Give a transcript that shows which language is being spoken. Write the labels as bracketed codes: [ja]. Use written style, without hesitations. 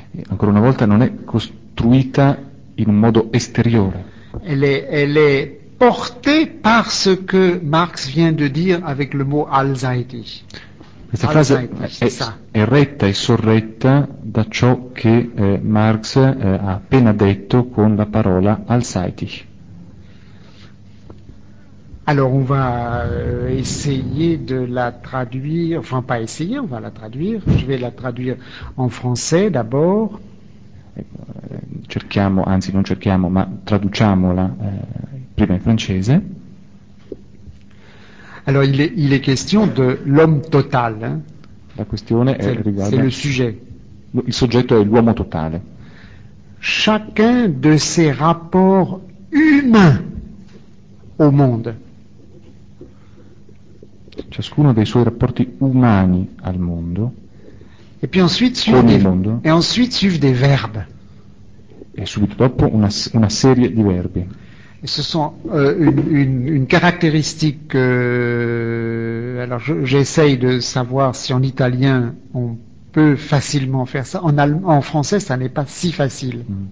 [it] Ancora una volta non è costruita in un modo esteriore. [fr] Elle est portée par ce que Marx vient de dire avec le mot anxiety. [it] Questa frase è retta e sorretta da ciò che Marx ha appena detto con la parola anxiety. [fr] Alors on va essayer de la traduire, enfin pas essayer, on va la traduire. Je vais la traduire en français d'abord. [it] Cerchiamo, anzi non cerchiamo, ma traduciamola prima in francese. [fr] Alors il est question de l'homme total. Hein? [it] La questione riguarda [fr] le sujet. [it] Il soggetto è l'uomo totale. [fr] Chacun de ses rapports humains au monde. [it] Ciascuno dei suoi rapporti umani al mondo. [fr] Et puis ensuite suivent des verbes. [it] E subito dopo una serie di verbi. [fr] Et ce sont une caractéristique. Alors j'essaye de savoir si en italien on peut facilement faire ça. En français, ça n'est pas si facile.